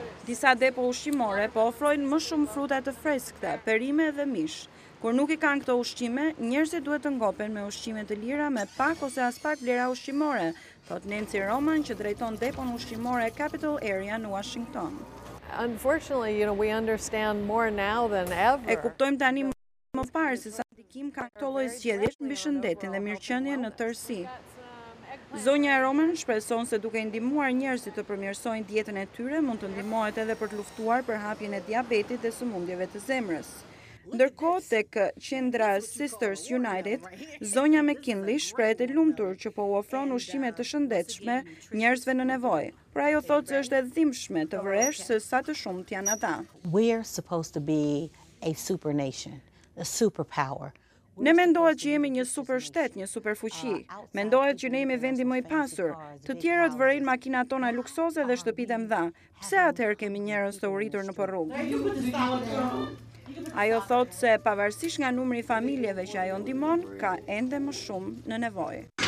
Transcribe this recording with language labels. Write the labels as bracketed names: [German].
[Albanian] Disa depo ushqimore po ofrojnë më shumë fruta të freskëta, perime dhe mish. Kur nuk i kanë këto ushqime, njerëzit duhet të ngopen me ushqime të lira me pak ose aspak vlera ushqimore, thot Nancy Roman që drejton depon ushqimore Capital Area në Washington. [English] Unfortunately, you know, we understand more now than ever. [Albanian] E kuptojmë tani më parë se sa ndikim ka këto lloj zgjedhjesh mbi shëndetin dhe mirëqenien në tërësi. Zonja Roman shpreson se duke ndihmuar njerëzit të përmirësojnë dietën e tyre, mund të ndihmohet edhe për të luftuar për hapjen e diabetit dhe sëmundjeve të zemrës. Ndërkohë tek qendra Sisters United, zonja McKinley shprehet e lumtur që po u ofron ushqime të shëndetshme njerëzve në nevojë. Pra ajo thotë se është e dhimbshme të vresh se sa të shumë janë ata. [English] We are supposed to be a super nation, a superpower. [Albanian] Ne mendohet që jemi një super shtet, një super fuqi. Mendohet që ne jemi vendi më i pasur. Të tjerët vërejnë makinat tona luksoze dhe shtëpitë e mëdha. Pse atëherë kemi njerëz të urritur në rrugë? Ajo thotë se pavarësisht nga numri i familjeve që ajo ndihmon, ka ende më shumë në nevojë.